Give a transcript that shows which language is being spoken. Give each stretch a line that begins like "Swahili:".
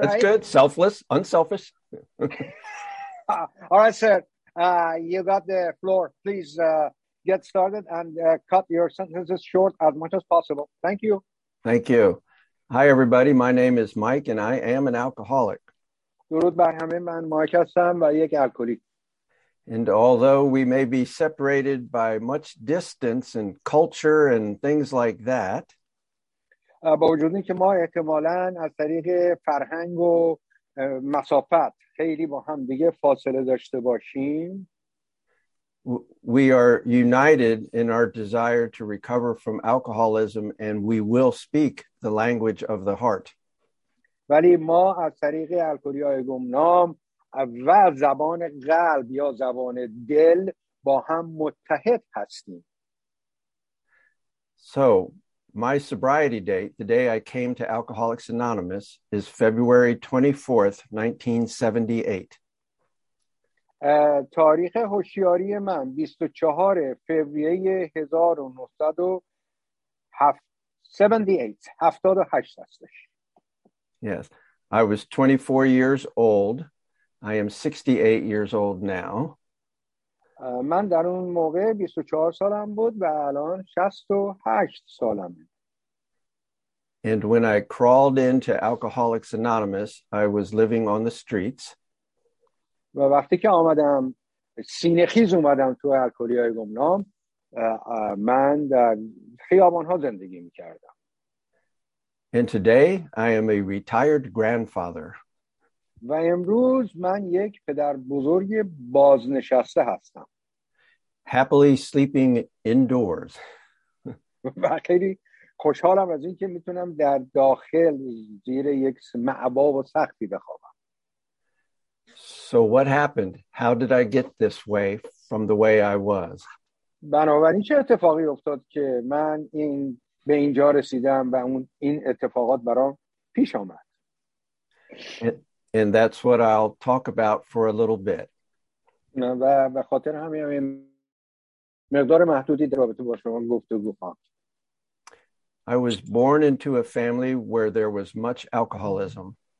English: That's good. Selfless, unselfish. all right, sir. You got the floor. Please. Get started and cut your sentences short as much as possible. Thank you. Thank you. Hi, everybody. My name is Mike, and I am an alcoholic.
Persian: درود بر همه، من مایک هستم و یک الکلیک.
English: And although we may be separated by much distance and culture and things like that,
Persian: با وجود اینکه ما احتمالاً از طریق فرهنگ و مسافت خیلی با هم دیگه فاصله داشته باشیم.
English: We are united in our desire to recover from alcoholism, and we will speak the language of the heart.
Persian: ولی ما از طریق الکلی‌های گمنام و زبان قلب یا زبان دل با هم متحد هستیم.
English: So, my sobriety date, the day I came to Alcoholics Anonymous, is February 24th, 1978.
Persian: تاریخ هوشیاری من 24 فوریه 1978 هستش.
English: Yes, I was 24 years old. I am 68 years old now.
Persian: من در اون موقع 24 سالم بود و الان 68 سالم.
English: And when I crawled into Alcoholics Anonymous, I was living on the streets.
Persian: و وقتی که آمدم سینه خیز اومدم تو الکلی‌های گمنام، من در خیابان‌ها زندگی می‌کردم.
English: And today I am a retired grandfather.
Persian: و امروز من یک پدر بزرگ بازنشسته هستم.
English: Happily sleeping indoors.
Persian: و خیلی خوشحالم از اینکه میتونم در داخل زیر یک مأوا و سختی بخوابم.
English: So what happened? How did I get this way from the way I was?
Persian: بنابراین چه اتفاقی افتاد که من این به اینجا رسیدم و اون این اتفاقات برام پیش آمد؟
English: And that's what I'll talk about for a little bit.
Persian: و به خاطر همین مقدار محدودی در رابطه با شما گفتگو خواهم.
English: I was born into a family where there was much alcoholism.